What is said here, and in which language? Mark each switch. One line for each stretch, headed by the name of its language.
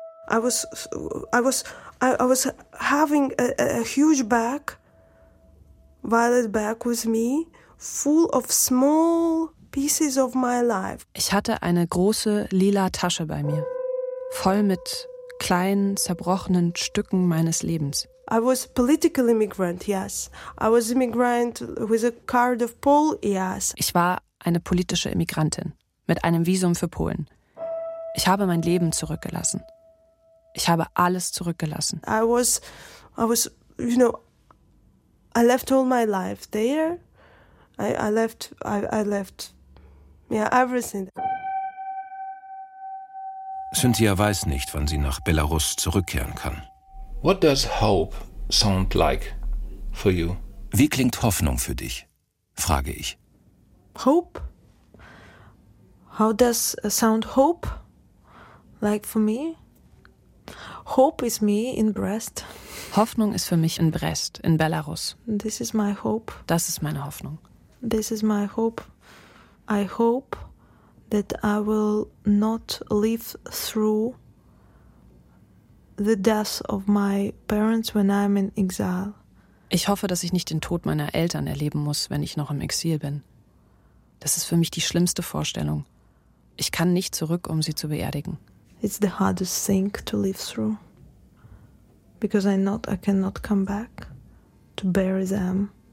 English: I was having a huge bag, violet bag with me, full of small pieces of my life.
German: Ich hatte eine große lila Tasche bei mir, voll mit kleinen, zerbrochenen Stücken meines Lebens.
English: I was political immigrant, yes. I was immigrant with a card of Pole, yes.
German: Ich war eine politische Immigrantin mit einem Visum für Polen. Ich habe mein Leben zurückgelassen. Ich habe alles zurückgelassen.
English: I was, you know, I left all my life there. I left, yeah, everything.
German: Cynthia weiß nicht, wann sie nach Belarus zurückkehren kann.
English: What does hope sound like for you?
German: Wie klingt Hoffnung für dich? Frage ich.
English: Hope? How does sound hope like for me? Hope is me in Brest.
German: Hoffnung ist für mich in Brest, in Belarus.
English: This is my hope.
German: Das ist meine Hoffnung.
English: This is my hope. I hope that I will not live through the death of my parents when I'm in exile.
German: Ich hoffe, dass ich nicht den Tod meiner Eltern erleben muss, wenn ich noch im Exil bin. Das ist für mich die schlimmste Vorstellung. Ich kann nicht zurück, um sie zu beerdigen.
English: It's the hardest thing to live through. Because I cannot come back to bury them.